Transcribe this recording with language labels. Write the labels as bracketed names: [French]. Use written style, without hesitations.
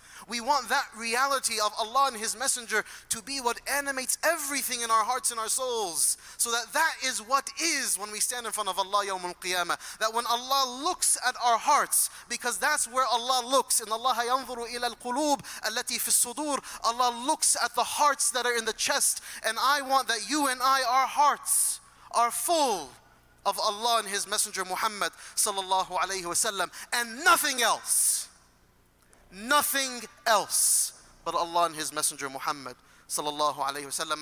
[English] We want that reality of Allah and His Messenger to be what animates everything in our hearts and our souls, so that is what is when we stand in front of Allah [Arabic] يوم القيامة. [English] That when Allah looks at our hearts, because that's where Allah looks. [Arabic] إن الله ينظر إلى القلوب التي في الصدور. [English] Allah looks at the hearts that are in the chest. And I want that you and I, our hearts are full of Allah and His Messenger Muhammad [Arabic] صلى الله عليه وسلم, [English] and nothing else. Nothing else but Allah and His Messenger Muhammad [Arabic] sallallahu alayhi wa sallam.